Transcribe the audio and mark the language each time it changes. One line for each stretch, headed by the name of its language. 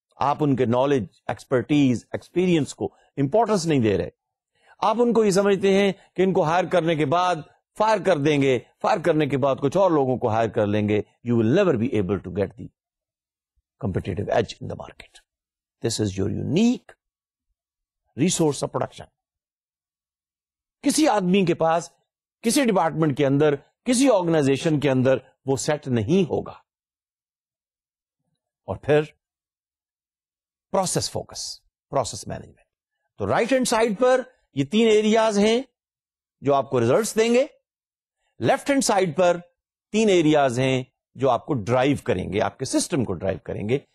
Urdu: آپ ان کے knowledge, expertise, experience کو امپورٹنس نہیں دے رہے, آپ ان کو یہ سمجھتے ہیں کہ ان کو ہائر کرنے کے بعد فائر کر دیں گے, فائر کرنے کے بعد کچھ اور لوگوں کو ہائر کر لیں گے,
English: You will never be able to get the competitive edge in the market. This is your unique resource of production.
Urdu: کسی آدمی کے پاس کسی ڈپارٹمنٹ کے اندر کسی آرگنائزیشن کے اندر وہ سیٹ نہیں ہوگا. اور پھر پروسیس فوکس, پروسیس مینجمنٹ. تو رائٹ ہینڈ سائڈ پر یہ تین ایریاز ہیں جو آپ کو ریزلٹس دیں گے, لیفٹ ہینڈ سائڈ پر تین ایریاز ہیں جو آپ کو ڈرائیو کریں گے, آپ کے سسٹم کو ڈرائیو کریں گے.